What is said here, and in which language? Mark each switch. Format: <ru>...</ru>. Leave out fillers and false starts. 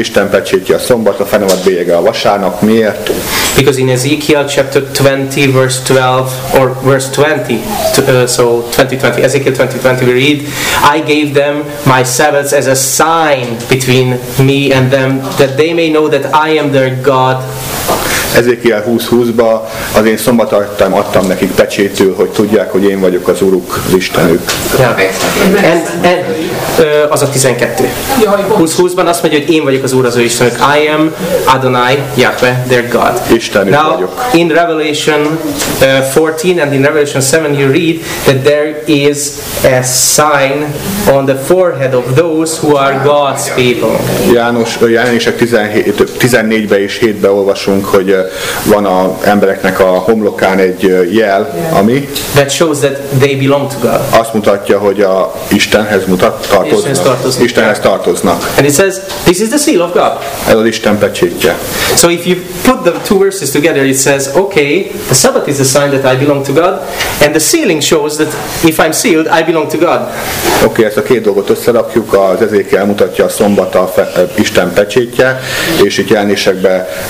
<hu>Isten pecsétje a szombat, a fenevad bélyege a vasárnap. Miért?</hu> <en>Because in Ezekiel chapter 20 verse 12 or verse 20, so 20:20, Ezekiel 20:20, we read, I gave them my Sabbaths as a sign between me and them, that they may know that I am their God.</en> <hu>Ezekiel 20:20-ba az én szombatartam adtam nekik pecsétül, hogy tudják, hogy én vagyok az Uruk, az Istenük.</hu> <en>Yeah. And</en> <hu>az a 12. 20:20-ban azt mondja, hogy én vagyok az Úr, az ő Istenük.</hu> <en>I am Adonai, Yahweh, their God.</en> <hu>Istenük</hu> <en>Now,</en> <hu>vagyok.</hu> <en>In Revelation 14 and in Revelation 7 you read that there is a sign on the forehead of those who are God's people.</en> <hu>Jelenések 14-ben és 7-ben olvasunk, hogy van a embereknek a homlokán egy jel, ami</hu> <en>that shows that they belong to God.</en> <hu>Azt mutatja, hogy a Istenhez tartoznak. Istenhez tartoznak.</hu> <en>And it says, this is the seal of God.</en> <hu>Ez az Isten pecsétje.</hu> <en>So if you put the two verses together, it says, okay, the Sabbath is a sign that I belong to God, and the sealing shows that if I'm sealed, I belong to God.</en> <hu>Okay, ezt a két dolgot összerakjuk, az Ezékiel mutatja a szombat a Isten pecsétje, és itt jelenésekben</hu>